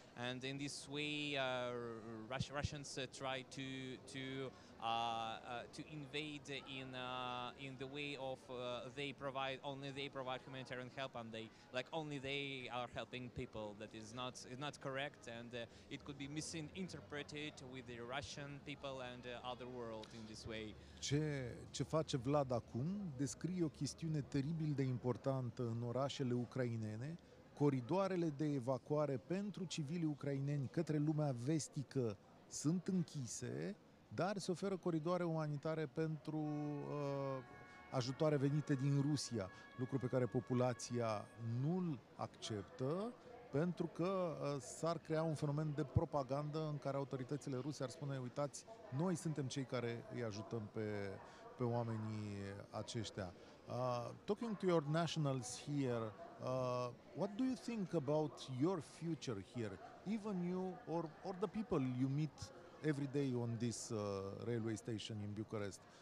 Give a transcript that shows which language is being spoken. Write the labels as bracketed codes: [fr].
[en] And in this way, Russians try to invade in the way of they provide humanitarian help, and they like only they are helping people. That is not correct, and it could be misinterpreted with the Russian people and other world in this way. [ro] Ce face Vlad acum? Descrie o chestiune teribil de importantă în orașele ucrainene. Coridoarele de evacuare pentru civilii ucraineni către lumea vestică sunt închise, dar se oferă coridoare umanitare pentru ajutoare venite din Rusia, lucru pe care populația nu-l acceptă, pentru că s-ar crea un fenomen de propagandă în care autoritățile ruse ar spune: uitați, noi suntem cei care îi ajutăm pe oamenii aceștia. [en] Talking to your nationals here, what do you think about your future here, even you or the people you meet every day on this railway station in Bucharest?